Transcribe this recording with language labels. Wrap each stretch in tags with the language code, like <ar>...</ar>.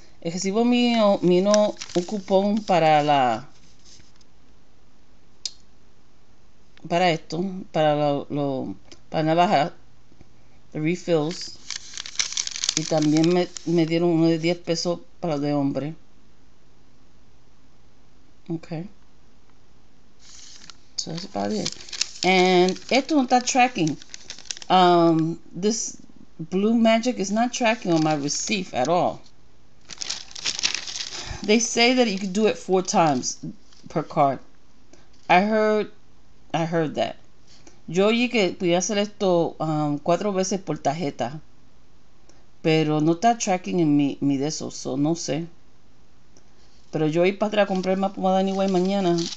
<es>El recibo mío vino un cupón para navaja.</es> <en>The refills.</en> <es>Y también me dieron uno de 10 pesos para de hombre.</es> <en>Okay. So that's about it. And</en> <es>esto no está</es> <en>tracking. This Blue Magic is not tracking on my receipt at all. They say that you can do it 4 times per card. I heard that.</en> <es>Yo oí que podía hacer esto 4 veces por tarjeta. Pero no está tracking en mi de eso, so no sé. Pero yo voy para atrás a comprar más pomada anyway mañana.</es>